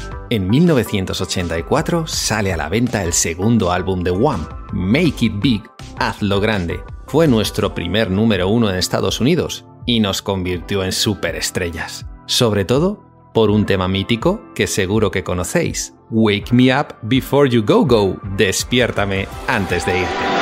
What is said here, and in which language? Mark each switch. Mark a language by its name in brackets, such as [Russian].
[Spanish] En 1984 sale a la venta el segundo álbum de Wham, Make It Big, Hazlo Grande. Fue nuestro primer número uno en Estados Unidos y nos convirtió en superestrellas. Sobre todo, por un tema mítico que seguro que conocéis. [English] Wake me up before you go go. [Spanish] Despiértame antes de irte.